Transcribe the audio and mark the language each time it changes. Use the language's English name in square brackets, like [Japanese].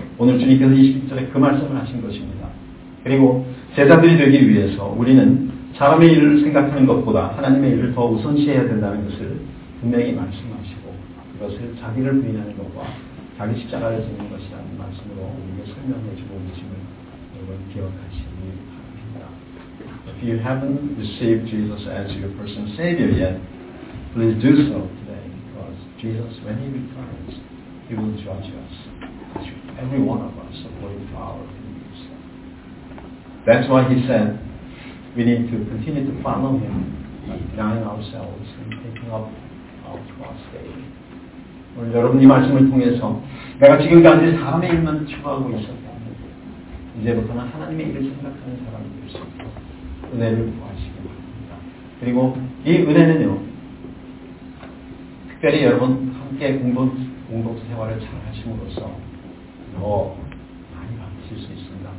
[Korean] 오늘 주님께서 21절에 그 말씀을 하신 것입니다. 그리고 제자들이 되기 위해서 우리는 사람의 일을 생각하는 것보다 하나님의 일을 더 우선시해야 된다는 것을 분명히 말씀하시고 그것을 자기를 부인하는 것과 자기 십자가를 지는 것이라는 말씀으로 우리에게 설명해주고 계심을 여러분 기억하시기 바랍니다. [English] If you haven't received Jesus as your personal Savior yet, please do so today, because Jesus, when He returns, He will judge us, every one of us, according to our beliefs. That's why He said we need to continue to follow Him, denying ourselves and taking up our cross daily. [Korean] 오늘 여러분 이 말씀을 통해서 내가 지금까지 사람의 일만 추구하고 있었다면 이제부터는 하나님의 일을 생각하는 사람이 될 수 있도록 은혜를 구하시기 바랍니다. 그리고 이 은혜는요. 특별히 여러분 함께 공동생활을 잘 하심으로써 더 많이 받으실 수 있습니다.